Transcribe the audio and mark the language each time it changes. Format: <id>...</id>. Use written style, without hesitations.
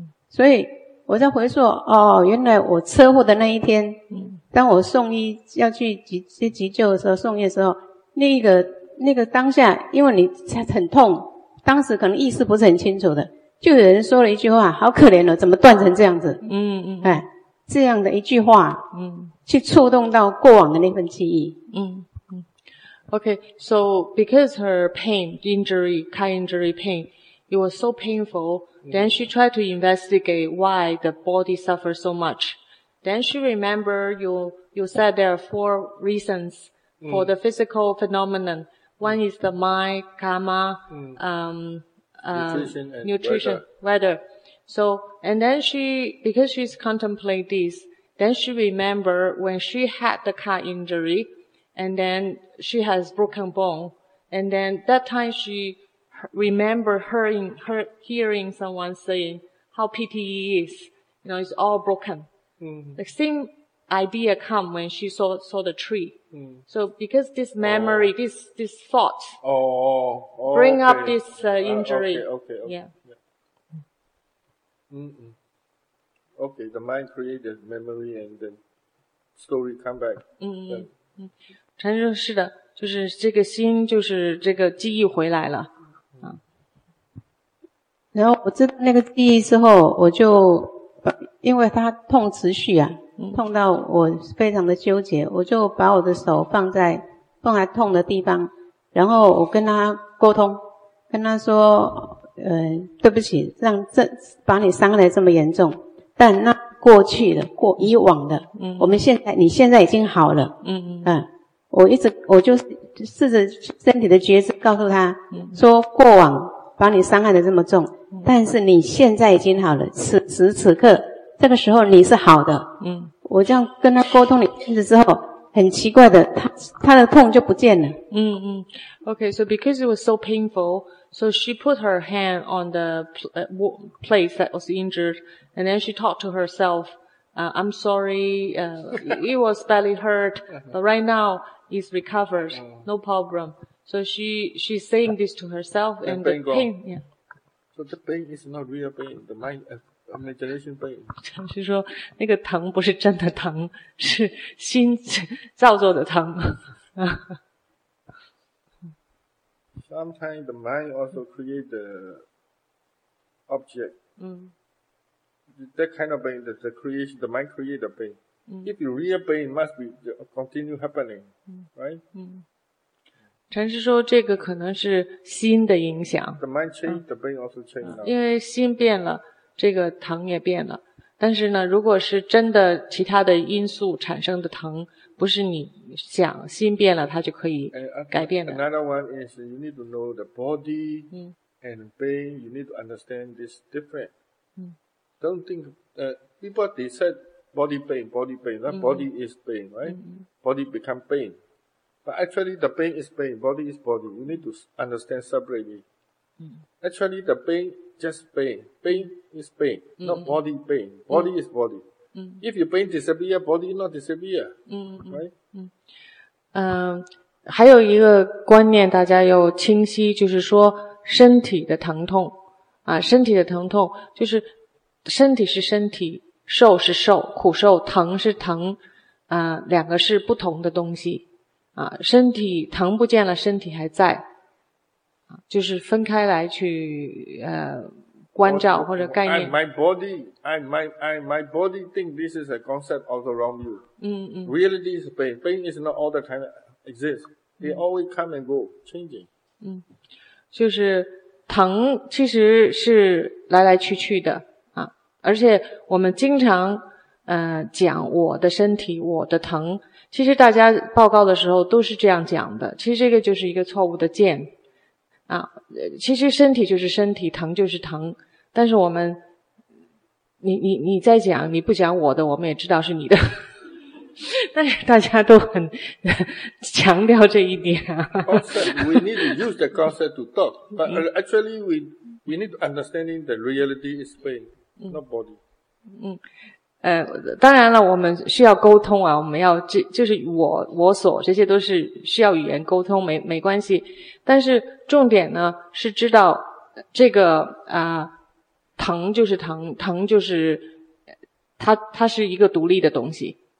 <zh>所以我在回溯，哦，原来我车祸的那一天，当我送医要去急救的时候，送医的时候，那个当下，因为你很痛，当时可能意识不是很清楚的，就有人说了一句话，好可怜的，怎么断成这样子，哎，这样的一句话，去触动到过往的那份记忆。</zh> <en>Okay, so because her pain, injury, car injury pain, it was so painful, then she tried to investigate why the body suffers so much. Then she remembered you said there are four reasons for the physical phenomenon. One is the mind, karma, nutrition, weather. So, and then because she's contemplating this, then she remembered when she had the car injury,And then she has broken bone. And then that time she remembered hearing someone saying how pity he is. You know, it's all broken. The same idea come when she saw the tree. So because this memory, this thought bring up this injury. Okay, the mind created memory and then story come back.</en> <zh>禅师是的，就是这个心，就是这个记忆回来了。然后我知道那个记忆之后，我就因为它痛持续啊，痛到我非常的纠结，我就把我的手放在痛的地方，然后我跟他沟通，跟他说，对不起，把你伤得这么严重，但那过去的，过以往的，我们现在，你现在已经好了，我就试着身体的觉知告诉他说，过往把你伤害的这么重，但是你现在已经好了，此时此刻这个时候你是好的，我这样跟他沟通了一次之后，很奇怪的，他的痛就不见了。</zh> <en>Okay, so because it was so painful, so she put her hand on the place that was injured, and then she talked to herself,I'm sorry, it was badly hurt, but right now it's recovered, no problem. So she's saying this to herself, and the pain, So the pain is not real pain, the mind, imagination pain.</en> <zh>禅师说那个疼不是真的疼，是心造作的疼。</zh> <en>Sometimes the mind also create the object. That kind of pain, the creation, the mind create the pain. If you real pain, must be continue happening, right?</en> <zh>禅师说这个可能是心的影响。</zh> <en>The mind change, the pain also change.</en> <zh>因为心变了，这个疼也变了。但是呢，如果是真的其他的因素产生的疼，不是你想心变了它就可以改变的。</zh> <en>Another one is you need to know the body and brain, you need to understand this different. Don't think, people they said body pain, body pain, that body is pain, right? Body become pain. But actually the pain is pain, body is body, you need to understand separately. Actually the pain, just pain, pain is pain, not body pain, body is body. If your brain disappear, body not disappear, right?</en> <zh>还有一个观念大家要清晰，就是说身体的疼痛啊，身体的疼痛就是身体是身体，受是受，苦受，疼是疼，啊，两个是不同的东西啊。身体疼不见了，身体还在，啊，就是分开来去关照或者概念。</zh> <en>My body think this is a concept all around you. Reality is pain. Pain is not all the time exist. They always come and go, changing.</en> <zh>就是疼其实是来来去去的啊，而且我们经常讲我的身体，我的疼，其实大家报告的时候都是这样讲的，其实这个就是一个错误的见啊。其实身体就是身体，疼就是疼，但是我们你在讲，你不讲我的，我们也知道是你的。但是大家都很强调这一点。</zh> <en>We need to use the concept to talk, but actually we need to understanding the reality is pain, not body.</en> <zh>当然了，我们需要沟通啊，我们要就是我所，这些都是需要语言沟通，没关系。但是重点呢是知道这个疼就是疼，疼就是它是一个独立的东西。</zh>